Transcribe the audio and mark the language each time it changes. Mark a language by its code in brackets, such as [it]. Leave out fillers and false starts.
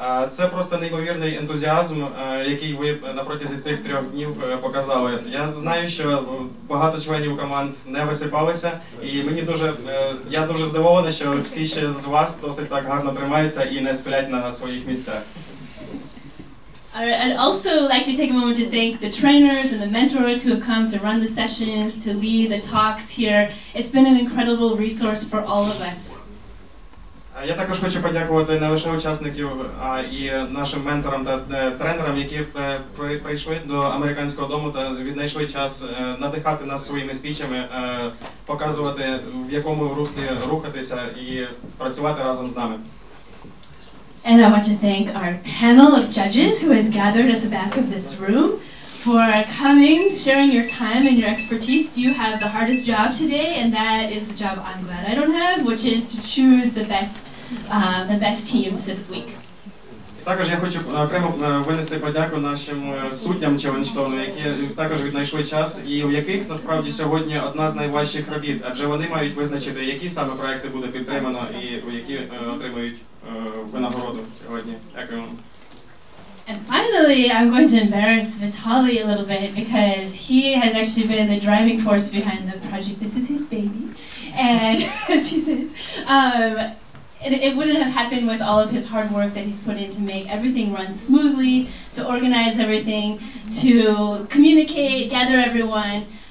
[uk] Це просто неймовірний ентузіазм, який ви протягом цих трьох днів показали. Я знаю, що багато членів команд не висипалися, і мені дуже, я дуже здивований, що всі ще з вас досить так гарно тримаються і не сплять на своїх місцях. [en] I'd also like to take a moment to thank the trainers and the mentors who have come to run the sessions, to lead the talks here. It's been an incredible resource for all of us. [uk] Я також хочу подякувати не лише учасників, а і нашим менторам та тренерам, які прийшли до американського дому та віднайшли час надихати нас своїми спічами, показувати, в якому руслі рухатися і працювати разом з нами. [en] And I want to thank our panel of judges who has gathered at the back of this room for coming, sharing your time and your expertise. You have the hardest job today, and that is the job I'm glad I don't have, which is to choose the best teams this week. [uk] Також я хочу окремо винести подяку нашим суддям Challenge-thon-у, які також віднайшли час, і у яких насправді сьогодні одна з найважчих робіт, адже вони мають визначити, які саме проекти буде підтримано і які отримають винагороду сьогодні. Дякую. [en] And finally, I'm going to embarrass Vitaly a little bit because he has actually been the driving force behind the project. This is his baby. And as he says, it wouldn't have happened with all of his hard work that he's put in to make everything run smoothly, to organize everything, to communicate, gather everyone.